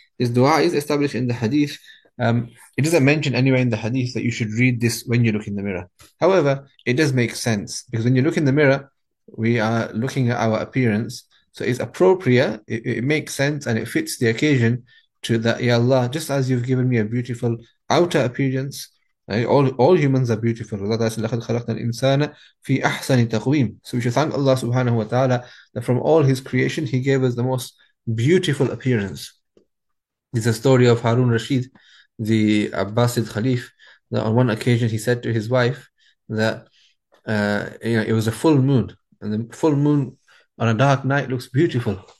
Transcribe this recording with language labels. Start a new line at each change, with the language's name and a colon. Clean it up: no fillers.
English: This dua is established in the hadith. It doesn't mention anywhere in the hadith that you should read this when you look in the mirror. However, it does make sense, because when you look in the mirror, we are looking at our appearance. So it's appropriate, it makes sense, and it fits the occasion to that, Ya Allah, just as you've given me a beautiful outer appearance, right? All humans are beautiful. Allah Ta'ala said,
Arabic: لَقَدْ خَلَقْنَا الْإِنسَانَ فِي أَحْسَنِ تَقْوِيمٍ.
English: So we should thank Allah subhanahu wa ta'ala that from all his creation, he gave us the most beautiful appearance. It's a story of Harun Rashid, the Abbasid Khalif, that on one occasion he said to his wife that you know, it was a full moon, and the full moon on a dark night looks beautiful.